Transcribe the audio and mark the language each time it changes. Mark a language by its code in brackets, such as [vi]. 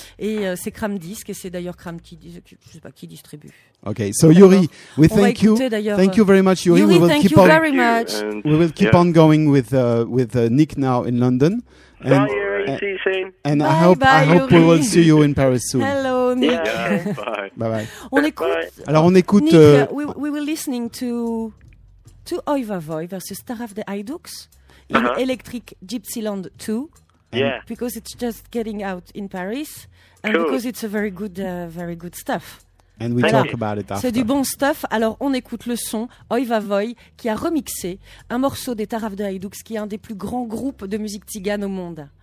[fr] Et c'est Kram Disque. Et c'est d'ailleurs Kram qui distribue. [en] Ok, so Yuri, we thank you. Thank you very much, Yuri. We will keep on going with Nick now in London. And, bye, Yuri. See you soon. And I hope we will see you in Paris soon. Hello, Nick. Yeah, bye. Bye-bye. [fr] On écoute. [en] Nick, we were listening to Oy Vavoy versus Taraf de Haïdouks in Electric Gypsyland 2. Yeah. Because it's just getting out in Paris. And because it's a very good stuff. And we talk about it after. [fr] C'est du bon stuff. Alors, on écoute le son Oy Vavoy qui a remixé un morceau des Taraf de Haïdoux, qui est un des plus grands groupes de musique tzigane au monde.